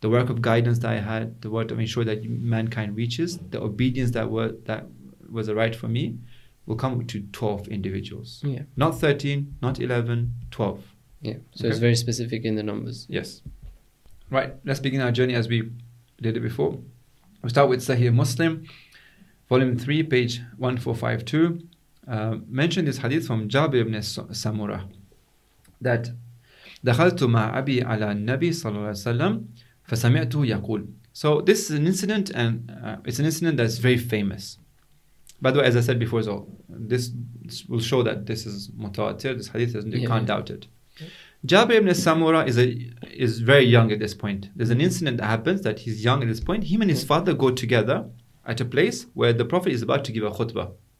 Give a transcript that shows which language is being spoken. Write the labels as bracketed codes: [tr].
[en] The work of guidance that I had, the work to ensure that mankind reaches, the obedience that was a right for me, will come to 12 individuals. Yeah. Not 13, not 11, 12. Yeah, so okay. It's very specific in the numbers. Yes. Right, let's begin our journey as we did it before. We'll start with Sahih Muslim, volume 3, page 1452. Mention this hadith from Jabir ibn Samura that [ar] دَخَلْتُ مَا عَبِي عَلَى النَّبِي صَلَّى اللَّهُ عَلَيْهِ وَسَلَّمْ فَسَمِعْتُ يَقُولُ. [en] So this is an incident that's very famous. By the way, as I said before, so this will show that this is mutawatir, this hadith, you can't doubt it. Jabir ibn Samura is very young at this point. There's an incident that happens that he's young at this point. Him and his father go together at a place where the Prophet is about to give a khutbah.